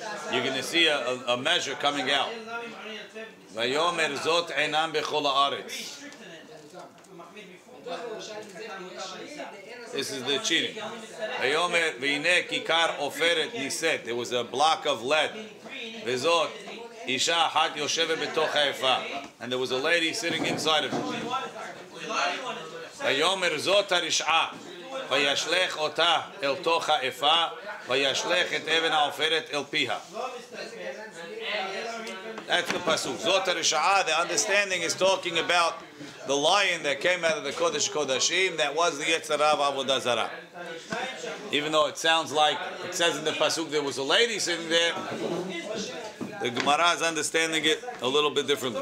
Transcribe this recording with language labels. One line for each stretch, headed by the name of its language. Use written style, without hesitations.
English: You're going to see a measure coming out.
Hebrew: ויאמר זאת עינם בכל הארץ.
English: This is the cheating.
Hebrew: ויאמר והנה כיכר עופרת נישאת.
English: It was a block of lead.
Hebrew: וזאת אישה אחת יושבת בתוך האפה.
English: And there was a lady sitting inside of it.
Hebrew: ויאמר זאת הרשעה. וישלך אותה אל תוך האפה. וישלך את אבן העופרת אל פיה.
English: That's the pasuk.
Hebrew: Zot harisha'ah,
English: the understanding is talking about the lion that came out of the Kodesh Kodashim, that was the Yetzirah of Avodah Zarah. Even though it sounds like, it says in the pasuk there was a lady sitting there, the Gemara is understanding it a little bit differently.